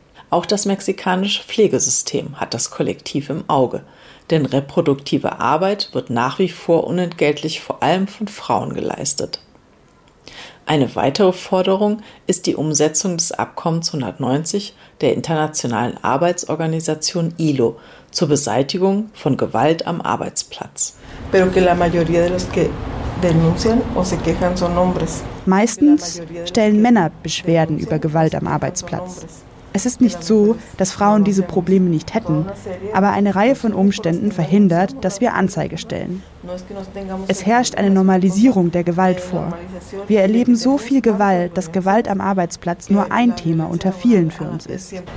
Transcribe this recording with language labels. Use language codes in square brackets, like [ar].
[de] Auch das mexikanische Pflegesystem hat das Kollektiv im Auge, denn reproduktive Arbeit wird nach wie vor unentgeltlich vor allem von Frauen geleistet. Eine weitere Forderung ist die Umsetzung des Abkommens 190 der Internationalen Arbeitsorganisation ILO zur Beseitigung von Gewalt am Arbeitsplatz. [es] Pero que la mayoría de los que denuncian o se quejan son hombres. [de] Meistens stellen Männer Beschwerden über Gewalt am Arbeitsplatz. Es ist nicht so, dass Frauen diese Probleme nicht hätten, aber eine Reihe von Umständen verhindert, dass wir Anzeige stellen. Es herrscht eine Normalisierung der Gewalt vor. Wir erleben so viel Gewalt, dass Gewalt am Arbeitsplatz nur ein Thema unter vielen für uns ist.